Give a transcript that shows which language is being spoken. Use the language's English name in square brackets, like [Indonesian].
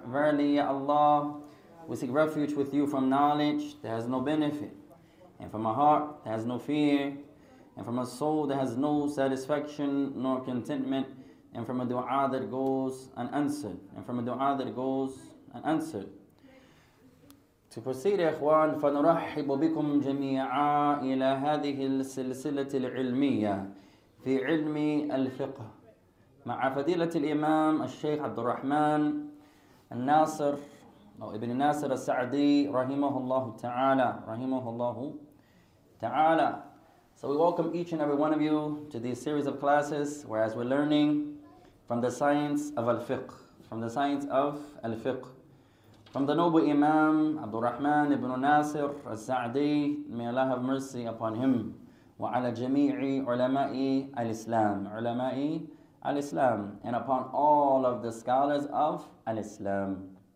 [English] Verily, ya Allah, we seek refuge with you from knowledge that has no benefit, and from a heart that has no fear, and from a soul that has no satisfaction nor contentment, and from a dua that goes unanswered, and from a dua that goes unanswered. To proceed, ikhwan, [Arabic] فَنُرَحِّبُ بِكُمْ جَمِيعًا إِلَى هَذِهِ السِّلْسِلَةِ الْعِلْمِيَّةِ فِي عِلْمِ الْفِقْهِ مَعَ فَدِيلَةِ الْإِمَامِ الشَّيْخِ عَبْدُ الرَّحْمَنِ النَّاصِرِ أو ابن ناصر السعدي رحمه الله تعالى رحمه الله تعالى. [English] So we welcome each and every one of you to this series of classes, whereas we're learning from the science of al-fiqh, from the science of al-fiqh, from the noble Imam Abdul Rahman ibn Nasir al-Sa'di, may Allah have mercy upon him, [Arabic] wa ala jami'i ulama'i al-Islam, ulama'i al-Islam, [English] and upon all of the scholars of al-Islam.